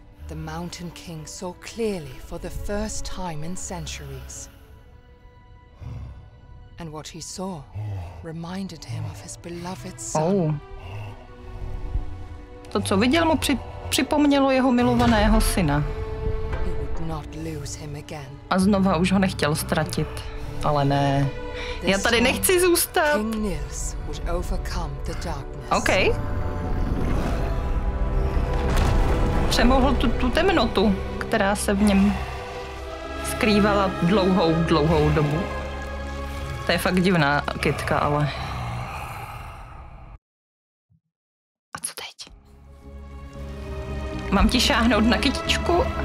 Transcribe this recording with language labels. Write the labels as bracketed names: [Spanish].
[English] The Mountain King saw clearly for the first time in centuries. And what he saw reminded him of his beloved son. Oh. [Czech] To, co viděl, mu připomnělo jeho milovaného syna. [English] He would not lose him again. [Czech] A znova už ho nechtěl ztratit. Ale ne. Já tady nechci zůstat. [English] King Nils would overcome the darkness. Okay. [Czech] Přemohl tu temnotu, která se v něm skrývala dlouhou, dlouhou dobu. To je fakt divná kytka, ale... A co teď? Mám ti šáhnout na kytičku?